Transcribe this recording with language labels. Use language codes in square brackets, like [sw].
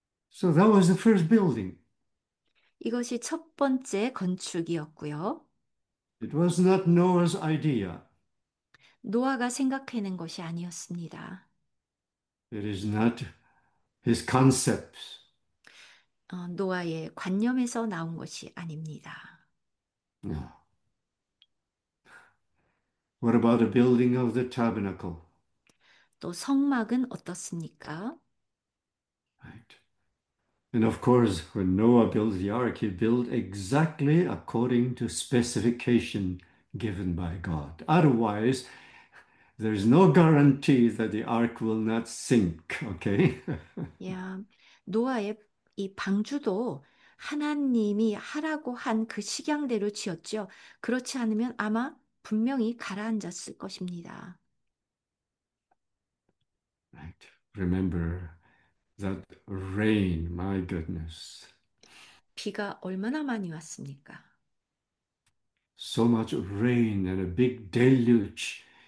[en] So that was the first building. [ko] 이것이 첫 번째 건축이었고요. [en] It was not Noah's idea. [ko] 노아가 생각해낸 것이 아니었습니다. [en] It is not his concepts. [ko] 노아의 관념에서 나온 것이 아닙니다. [en] No. What about the building of the tabernacle? [ko] 또 성막은 어떻습니까? [en] And of course, when Noah built the ark, he built exactly according to specification given by God. Otherwise, there's no guarantee that the ark will not sink, okay? [ko] 야, 노아의 이 방주도 하나님이 하라고 한그 식양대로 지었죠. 그렇지 않으면 아마 분명히 가라앉았을 것입니다. [en] Remember that rain, my goodness. [ko] 비가 얼마나 많이 왔습니까? [en] So much rain and a big deluge.